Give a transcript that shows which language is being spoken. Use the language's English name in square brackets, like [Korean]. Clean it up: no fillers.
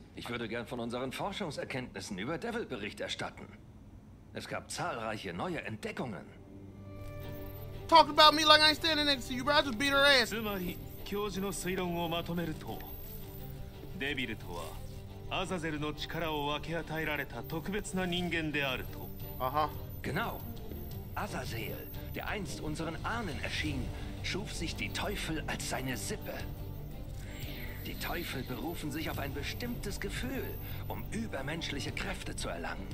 [German] Ich würde gern von unseren Forschungserkenntnissen über Devil Bericht erstatten. Es gab zahlreiche neue Entdeckungen. [English] Talk about me like I ain't standing next to you, bro. I just beat her ass. [Japanese] つまり, 教授の推論をまとめると, デビルとは, アザゼルの力を分け与えられた特別な人間であると。 Aha. [German] Genau. Azazel, der einst unseren Ahnen erschien, schuf sich die Teufel als seine Sippe. Die Teufel berufen sich auf ein bestimmtes Gefühl, um übermenschliche Kräfte zu erlangen.